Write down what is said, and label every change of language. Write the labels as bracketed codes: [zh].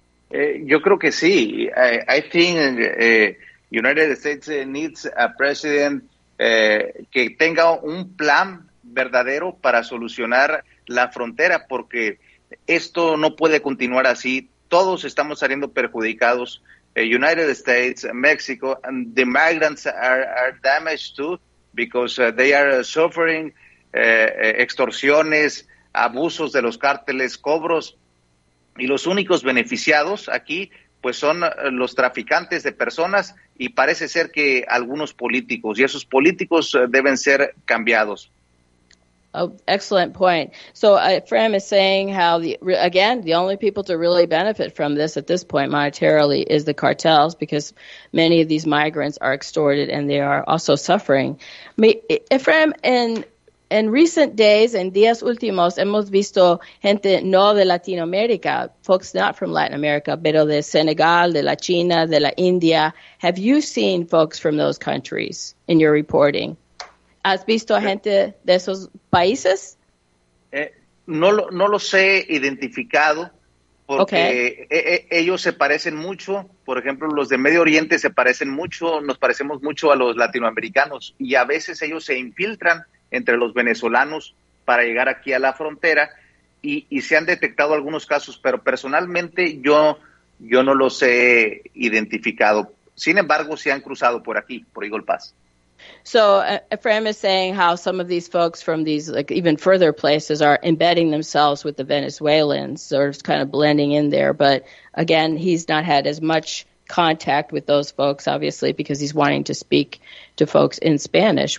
[es] Yo creo que sí. [en] I think United States needs a president [es] que tenga un plan verdadero para solucionar la frontera, porque esto no puede continuar así. Todos estamos saliendo perjudicados. [en] United States, Mexico, and the migrants are damaged too, because they are suffering [es] extorsiones, abusos de los cárteles, cobros. Y los únicos beneficiados aquí, pues son los traficantes de personas y parece ser que algunos políticos, y esos políticos deben ser cambiados. [en] Oh, excellent point. So, Fram is saying how, the only people to really benefit from this at this point monetarily is the cartels, because many of these migrants are extorted and they are also suffering. [es] Fram, [en] in recent days, [es] en días últimos, hemos visto gente no de Latinoamérica, [en] folks not from Latin America, [es] pero de Senegal, de la China, de la India. [en] Have you seen folks from those countries in your reporting? [es] ¿Has visto gente de esos países? No los he identificado porque ellos se parecen mucho. Por ejemplo, los de Medio Oriente se parecen mucho, nos parecemos mucho a los latinoamericanos, y a veces ellos se infiltran entre los venezolanos para llegar aquí a la frontera y se han detectado algunos casos, pero personalmente yo no los he identificado. Sin embargo, se han cruzado por aquí, por Eagle Pass. [en] So Efrain is saying how some of these folks from these like even further places are embedding themselves with the Venezuelans, sort of kind of blending in there. But again, he's not had as much contact with those folks, obviously, because he's wanting to speak to folks in Spanish.